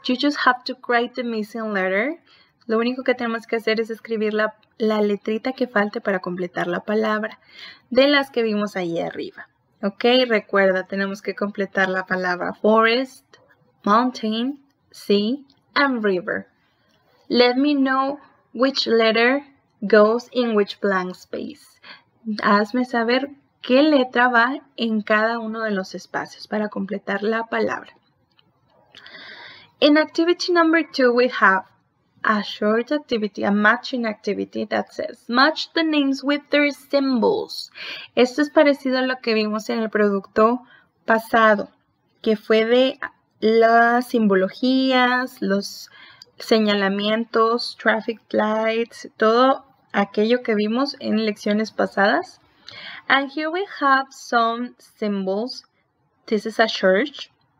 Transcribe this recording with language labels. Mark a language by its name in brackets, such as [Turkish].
[English] You just have to write the missing letter. [Spanish] Lo único que tenemos que hacer es escribir la letrita que falte para completar la palabra de las que vimos ahí arriba. Ok, recuerda, tenemos que completar la palabra [English] forest, mountain, sea, and river. Let me know which letter goes in which blank space. [Spanish] Hazme saber qué letra va en cada uno de los espacios para completar la palabra. [English] In activity number two, we have a short activity, a matching activity that says match the names with their symbols. [Spanish] Esto es parecido a lo que vimos en el producto pasado, que fue de las simbologías, los señalamientos, traffic lights, todo aquello que vimos en lecciones pasadas. [English] And here we have some symbols. This is a church.